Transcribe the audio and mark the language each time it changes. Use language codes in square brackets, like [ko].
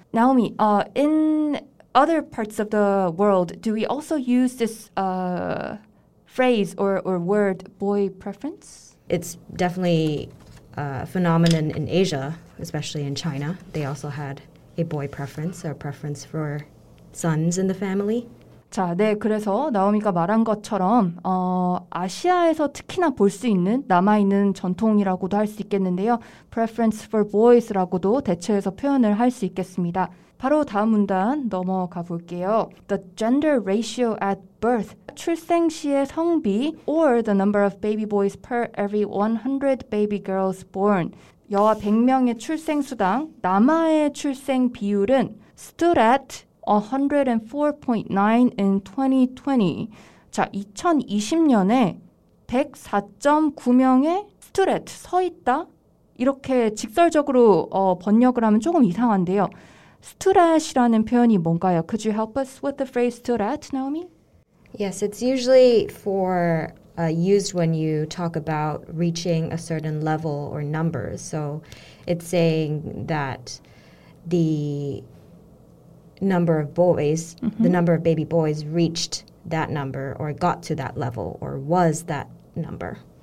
[en] Naomi, in other parts of the world, do we also use this phrase or word boy preference? It's definitely a phenomenon in Asia, especially in China. They also had a boy preference or preference for sons in the family. [ko] 자, 네, 그래서 나오미가 말한 것처럼 아시아에서 특히나 볼 수 있는 남아있는 전통이라고도 할 수 있겠는데요. [en] Preference for boys [ko] 라고도 대체해서 표현을 할 수 있겠습니다. 바로 다음 문단 넘어가 볼게요. [en] The gender ratio at birth, [ko] 출생 시의 성비 [en] or the number of baby boys per every 100 baby girls born. [ko] 여아 100명의 출생수당, 남아의 출생 비율은 [en] stood at 104.9 in 2020. [ko] 자, 2020년에 104.9명의 [en] stood at, [ko] 서 있다? 이렇게 직설적으로 번역을 하면 조금 이상한데요. [en] stood at [ko] 이라는 표현이 뭔가요? [en] Could you help us with the phrase stood at, Naomi? Yes, it's usually for used when you talk about reaching a certain level or number. So it's saying that the number of boys, the number of baby boys reached that number or got to that level or was that number.